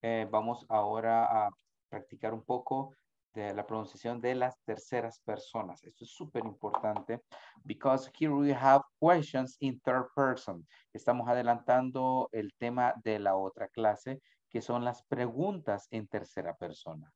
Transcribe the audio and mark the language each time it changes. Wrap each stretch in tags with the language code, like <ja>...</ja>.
<es>Vamos ahora a practicar un poco de la pronunciación de las terceras personas. Esto es súper importante.</es> <en>Because here we have questions in third person.</en> <es>Estamos adelantando el tema de la otra clase, que son las preguntas en tercera persona.</es>